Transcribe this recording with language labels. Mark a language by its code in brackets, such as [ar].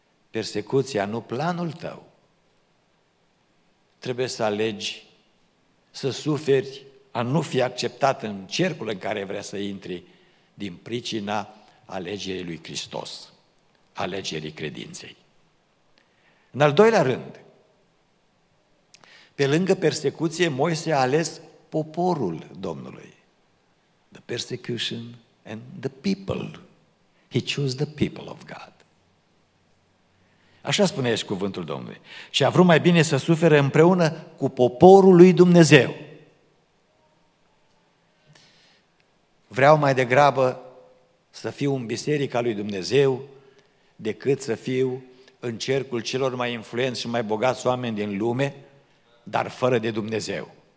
[ro] Persecuția, nu planul tău. Trebuie să alegi să suferi a nu fi acceptat în cercul în care vrea să intri din pricina alegerii lui Hristos, alegerii credinței. În al doilea rând, pe lângă persecuție, Moise a ales poporul Domnului. [en] The persecution and the people. He chose the people of God. [ro] Așa spune aici cuvântul Domnului. Și a vrut mai bine să sufere împreună cu poporul lui Dumnezeu. Vreau mai degrabă să fiu în biserica lui Dumnezeu decât să fiu în cercul celor mai influenți și mai bogați oameni din lume, dar fără de Dumnezeu.